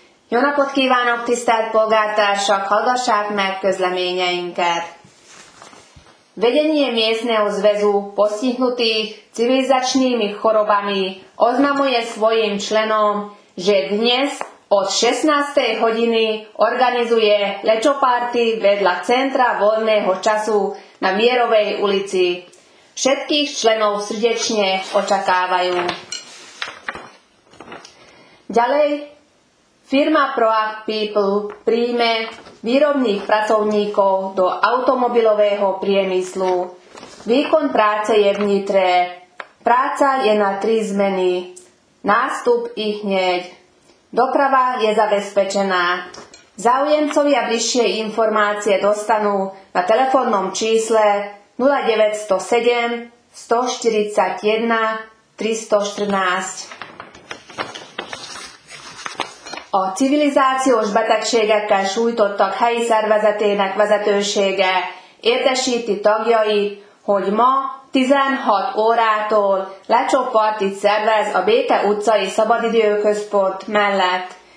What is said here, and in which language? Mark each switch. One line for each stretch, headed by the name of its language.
Hungarian: Jó napot kívánok, tisztelt polgártársak, hallgassák meg közleményeinket.
Slovak: Vedenie miestneho zväzu postihnutých civilizačnými chorobami oznamuje svojim členom, že dnes od 16. hodiny organizuje lečoparty vedľa Centra voľného času na Mierovej ulici. Všetkých členov srdečne očakávajú. Ďalej, firma Proact People príjme výrobných pracovníkov do automobilového priemyslu. Výkon práce je v Nitre. Práca je na 3 zmeny. Nástup i hneď. Doprava je zabezpečená. Záujemcovia bližšie informácie dostanú na telefónnom čísle 0907 141 314.
Hungarian: A civilizációs betegségekkel sújtottak helyi szervezetének vezetősége értesíti tagjai, hogy ma 16 órától lecsoppartit szervez a Béke utcai szabadidőközpont mellett.